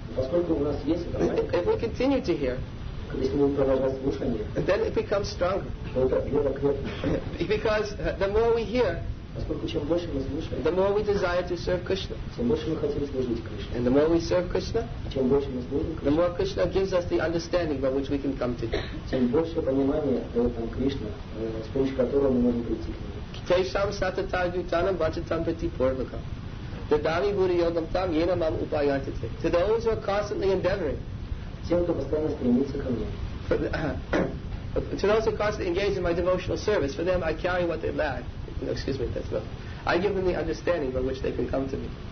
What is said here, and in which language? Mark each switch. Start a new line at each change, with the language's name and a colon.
Russian: поскольку у нас есть это,
English: if we continue to hear,
Russian: если мы продолжаем слушание,
English: then it becomes stronger.
Russian: Это вера крепнет.
English: Because the more we hear,
Russian: поскольку чем больше мы слушаем,
English: the more we desire to serve Krishna.
Russian: Чем больше мы хотим служить Кришне.
English: And the more we serve Krishna,
Russian: чем больше мы служим Кришне,
English: the more Krishna gives us the understanding by which we can come to Him.
Russian: Чем больше понимания дает нам Кришна, с помощью которого мы можем прийти к Нему.
Sanskrit: Кешам сатата дютанам бачатам прити порвакам. The Dhavi Guru Yogam Tam Yena Mam Upayantite.
English: To those who are constantly endeavoring.
Russian: Тем, кто постоянно стремится ко мне.
English: To those who are constantly engaged in my devotional service, for them I carry what they lack. No, excuse me, that's not. I give them the understanding by which they can come to me.